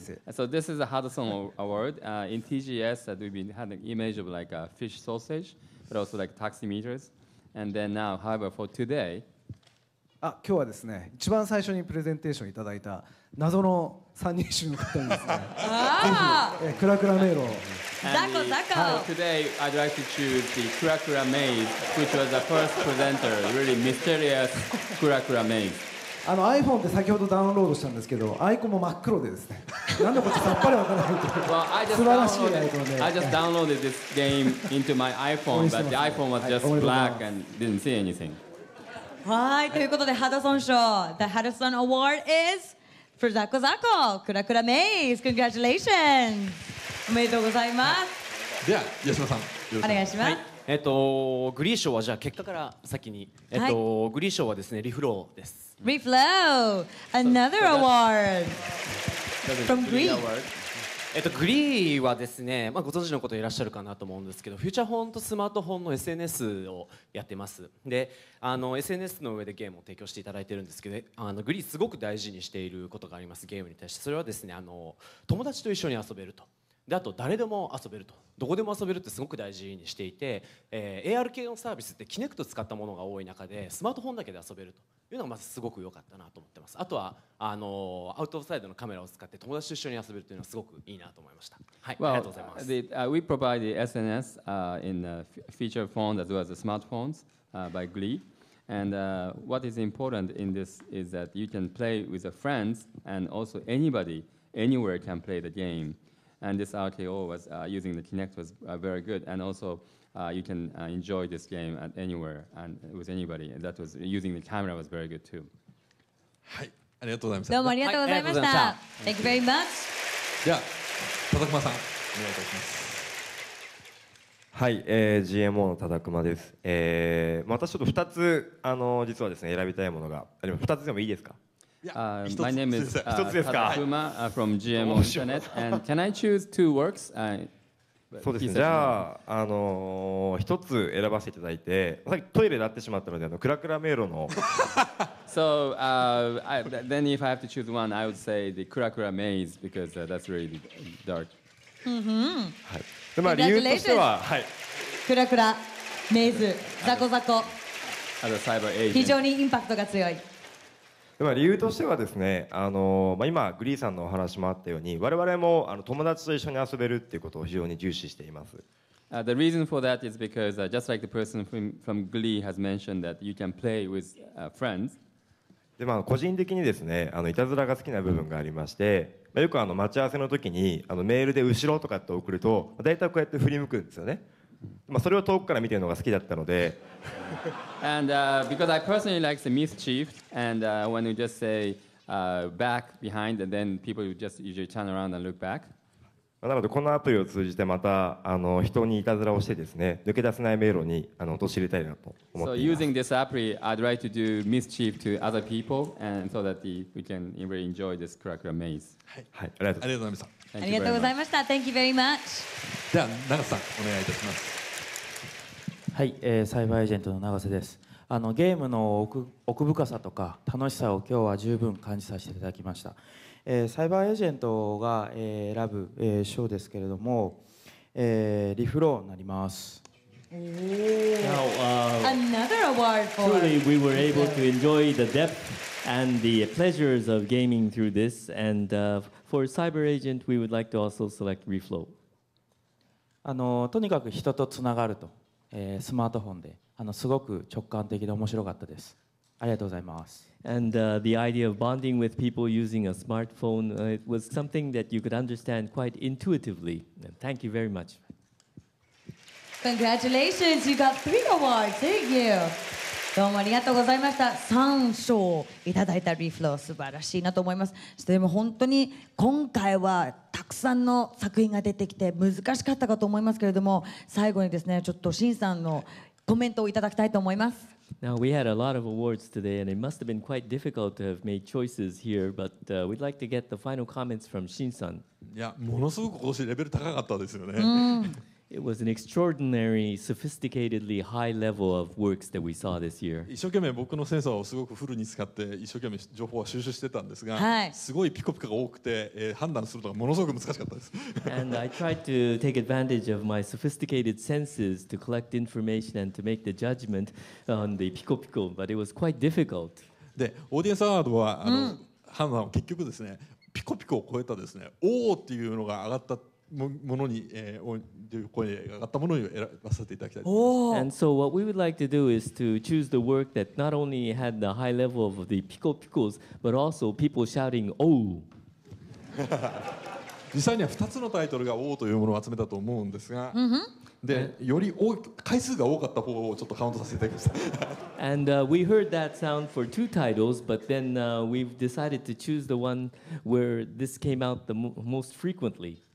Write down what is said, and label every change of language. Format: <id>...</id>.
<en>So this is a Hudson Award in TGS that we've been had an image of like a fish sausage, but also like taxi meters. And then now, however, for today,</en> <ja>今日はですね、一番最初にプレゼンテーションいただいた謎の三人衆の方にですね、クラクラメイロ。ザコザコ。</ja> <en>Today, I'd like to choose the クラクラメイ、which was the first presenter, really mysterious クラクラメイ。</en> <ja>iPhone って先ほどダウンロードしたんですけど、アイコンも真っ黒でですね。なんだこっちさっぱりわからないと。素晴らしいアイコンで。</ja> <en>I just downloaded this game into my iPhone, but the iPhone was just black and didn't see anything.</en> <ja>はい、ということで、ハドソン賞。</ja> <en>The Hudson Award is for ザコザコ、クラクラメイズ。 Congratulations!</en> <ja>おめでとうございます。では、吉野さん、お願いします。グリー賞はじゃあ結果から先に、グリー賞はですね、リフローです。</ja> <en>Reflow, another award from Glee.</en> <ja>グリーはですね、まあ、ご存知のこといらっしゃるかなと思うんですけど、フューチャーフォンとスマートフォンの SNS をやってます。で、SNS の上でゲームを提供していただいてるんですけど、グリーすごく大事にしていることがあります、ゲームに対して。それはですね、友達と一緒に遊べると。で、あと誰でも遊べると。どこでも遊べるってすごく大事にしていて、AR 系のサービスってキネクト使ったものが多い中で、スマートフォンだけで遊べると。いうのがまずすごく良かったなと思ってます。あとはアウトサイドのカメラを使って友達と一緒に遊べるというのはすごくいいなと思いました。はい、</ja> <en>well,</en> <ja>ありがとうございます。</ja> <en>We provide the SNS in the feature phones as well as the smartphones by Glee. And what is important in this is that you can play with your friends and also anybody, anywhere can play the game. And this RKO was using the Kinect was very good. And alsoyou can enjoy this game at anywhere and with anybody. And that was using the camera was very good too.</en> <ja>はい、ありがとうございました。どうもありがとうございました。</ja> <en>Thank you very much.</en> <ja>じゃあ、タダクマさん、お願いいたします。はい、GMO のタダクマです。またちょっと2つ、実はですね、選びたいものが、でも2つでもいいですか？</ja> <en>My name is Tadakuma from GMO Internet. And can I choose two works?</en> <ja>そうですね、じゃあ、一つ選ばせていただいて、さっきトイレになってしまったので、クラクラ迷路の。</ja> <en>So, then if I have to choose one, I would say the クラクラ maze, because that's really dark.</en> <ja>はい。で、まあ、理由としては、はい。クラクラ、メイズ、ザコザコ。</ja> <en>As a cyber agent.</en> <ja>非常にインパクトが強い。でまあ、理由としてはですね、まあ、今グリーさんのお話もあったように我々も友達と一緒に遊べるっていうことを非常に重視しています。</ja> <en>The reason for that is because just like the person from Glee has mentioned that you can play with friends.</en> <ja>でまあ、個人的にですね、いたずらが好きな部分がありまして、まあ、よく待ち合わせの時にメールで後ろとかって送ると、まあ、大体こうやって振り向くんですよね。まあ、それを遠くから見てるのが好きだったので。</ja> <en>And because I personally like the mischief, and when you just say back behind, and then people would just usually turn around and look back.</en> <ja>なのでこのアプリを通じてまた人にいたずらをしてですね抜け出せない迷路に陥れたいなと思っています。</ja> <en>So using this app, I'd like to do mischief to other people, and so that we can really enjoy this cracker maze.</en> <ja>はい、はい、ありがとうございました。ありがとうございました。</ja> <en>Thank you very much.</en> <ja>じゃあ長瀬さんお願いいたします。はい、サイバーエージェントの永瀬です。ゲームの奥深さとか楽しさを今日は十分感じさせていただきました。サイバーエージェントが選ぶ賞ですけれども、リフローになります。</ja> <en>Now, another award for truly we were able to enjoy the depth and the pleasures of gaming through this and for Cyber Agent we would like to also select Reflow.</en> <ja>とにかく人とつながると、スマートフォンで、すごく直感的で面白かったです。ありがとうございます。</ja> <en>And the idea of bonding with people using a smartphone it was something that you could understand quite intuitively. Thank you very much. Congratulations! You got three awards. Thank you.</en> <ja>どうもありがとうございました。三賞いただいたリフロー素晴らしいなと思います。でも本当に今回はたくさんの作品が出てきて難しかったかと思いますけれども、最後にですね、ちょっとシンさんのコメントをいただきたいと思います。</ja> <en>Now we had a lot of awards today, and it must have been quite difficult to have made choices here. But we'd like to get the final comments from Shin-san.</en> <ja>いや、ものすごく今年レベル高かったですよね。</ja> <en>It was an extraordinary, sophisticatedly high level of works that we saw this year.</en> <ja>一生懸命僕のセンサーをすごくフルに使って一生懸命情報は収集してたんですが、はい、すごいピコピコが多くて、判断するのがものすごく難しかったです。</ja> <en>And I tried to take advantage of my sophisticated senses to collect information and to make the judgment on the ピコピコ, but it was quite difficult.</en> <ja>で、オーディエンスアワードは判断を結局ですね、ピコピコを超えたですね、おーっていうのが上がった。ものに、声が上がったものを選ばせていただきたいと思います。 Oh.</ja> <en>And so what we would like to do is to choose the work that not only had the high level of the pico picos, but also people shouting oh.</en> <ja>実際には2つのタイトルが oh というものを集めたと思うんですが、 mm-hmm. で、より多い回数が多かった方をちょっとカウントさせていただきました。</ja> <en>And we heard that sound for two titles, but then we've decided to choose the one where this came out the most frequently.</en>